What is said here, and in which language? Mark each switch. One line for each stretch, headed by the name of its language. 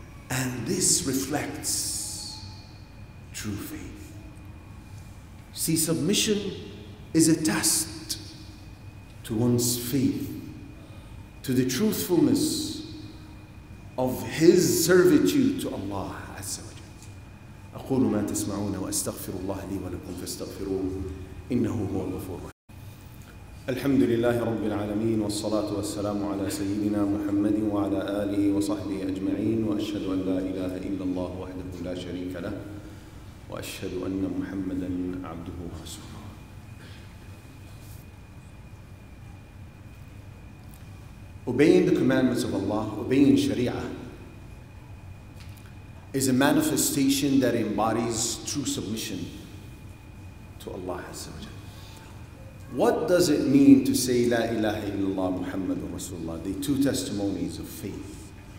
English: And this reflects true faith. See, submission is a test to one's faith, to the truthfulness of his servitude to Allah Azza wa Jalla.
Arabic: أقول ما تسمعون وأستغفر الله لي ولكم فاستغفروه إنه هو الغفور الرحيم. الحمد لله رب العالمين والصلاة والسلام على سيدنا محمد وعلى آله وصحبه أجمعين وأشهد أن لا إله إلا الله وحده لا شريك له وأشهد أن محمدًا عبده ورسوله.
English: Obeying the commandments of Allah, obeying Sharia, is a manifestation that embodies true submission to Allah Azza wa Jalla. What does it mean to say
Arabic: La ilaha illallah Muhammadun Rasulullah,
English: the two testimonies of faith?